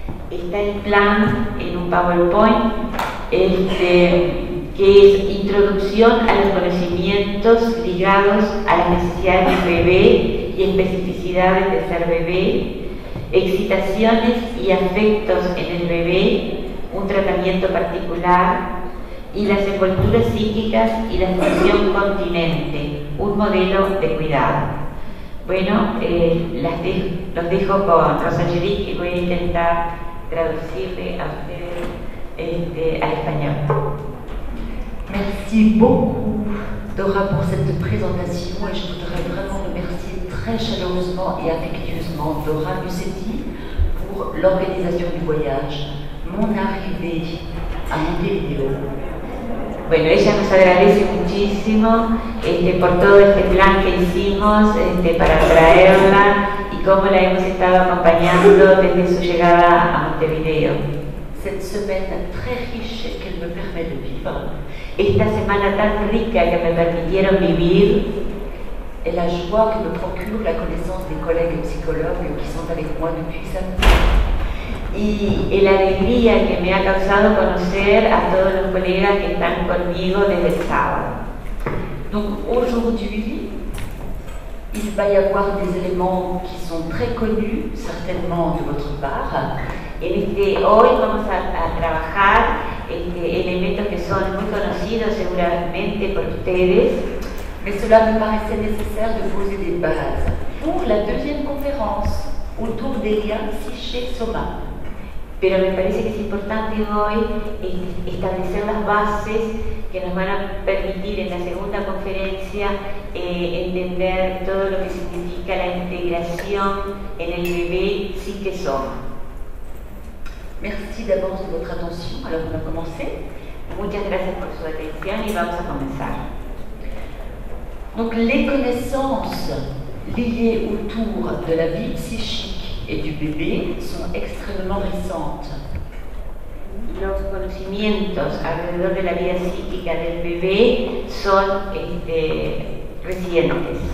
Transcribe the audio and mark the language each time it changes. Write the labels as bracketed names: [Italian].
[Spanish] Está el plan en un PowerPoint, que es introducción a los conocimientos ligados a las necesidades del bebé y especificidades de ser bebé, excitaciones y afectos en el bebé, un tratamiento particular, y las envolturas psíquicas y la función continente, un modelo de cuidado. Bueno, los dejo con Rose Angelique y voy a intentar traducirle a ustedes al español. [French] Merci beaucoup, Dora, pour cette présentation et je voudrais vraiment remercier très chaleureusement et affectueusement Dora Lucetti pour l'organisation du voyage, mon arrivée à Montevideo. [Spanish] Bueno, ella nos agradece muchísimo por todo este plan que hicimos para traerla y cómo la hemos estado acompañando desde su llegada a Montevideo. [French] Cette semaine très riche qu'elle me permet de vivre. [Spanish] Esta semana tan rica que me permitieron vivir, [French] et la joie que me procure la connaissance des collègues psychologues qui sont avec moi depuis samedi. [Spanish] Y la alegría que me ha causado conocer a todos los colegas que están conmigo desde el sábado. [French] Donc aujourd'hui, il va y avoir des éléments qui sont très connus, certainement de votre part. [Spanish] Et hoy vamos a trabajar elementos que son muy conocidos seguramente por ustedes. [French] Mais cela me paraissait nécessaire de poser des bases pour la deuxième conférence. autour d'Elia Psyché Soma. [Spanish] Pero me parece que es importante hoy establecer las bases que nos van a permitir en la segunda conferencia entender todo lo que significa la integración en el bebé Psyché Soma. [French] Merci d'avance de votre attention. Alors, on va commencer. [Spanish] Muchas gracias por su atención y vamos a comenzar. [French] Donc, les connaissances liées autour de la vie psychique et du bébé sont extrêmement récentes. [Spanish] Los conocimientos alrededor de la vida psíquica del bebé son recientes.